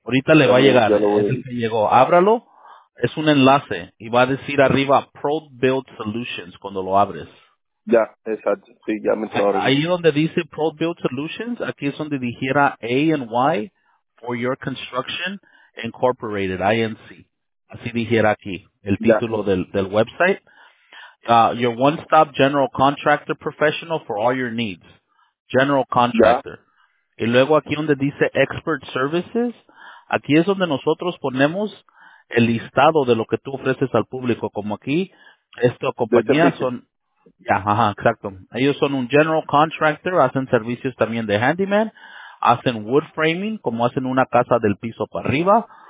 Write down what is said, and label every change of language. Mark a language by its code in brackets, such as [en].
[es] Ahorita le va a llegar, es el que llegó, ábralo. Es un enlace y va a decir arriba Pro Build Solutions cuando lo abres. Ya, exacto. Sí, ya me entró. Ahí donde dice Pro Build Solutions, aquí es donde dijera A&Y for Your Construction Incorporated, INC. Así dijera aquí el título del website. [en] Your one-stop general contractor professional for all your needs. General contractor. [es] Ya. Y luego aquí donde dice Expert Services, aquí es donde nosotros ponemos el listado de lo que tú ofreces al público, como aquí, esta compañía son, exacto. Ellos son un general contractor, hacen servicios también de handyman, hacen wood framing, como hacen una casa del piso para arriba.